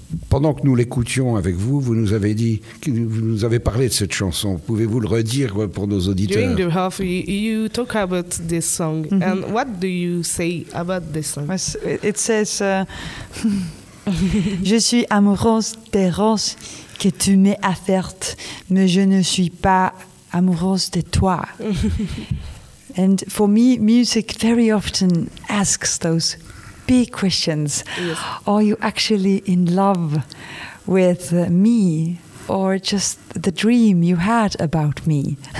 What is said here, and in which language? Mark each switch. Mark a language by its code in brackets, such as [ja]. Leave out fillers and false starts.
[fr] Pendant que nous l'écoutions avec vous, vous nous avez dit, vous nous avez parlé de cette chanson. Pouvez-vous le redire pour nos auditeurs? [en] During the half, you talk about this song. Mm-hmm. And what do you say about this song? It says, [fr] "Je suis amoureuse des roses que tu m'as offertes, mais je ne suis pas amoureuse de toi." [en] And for me, music very often asks those big questions. Yes. Are you actually in love with me or just the dream you had about me?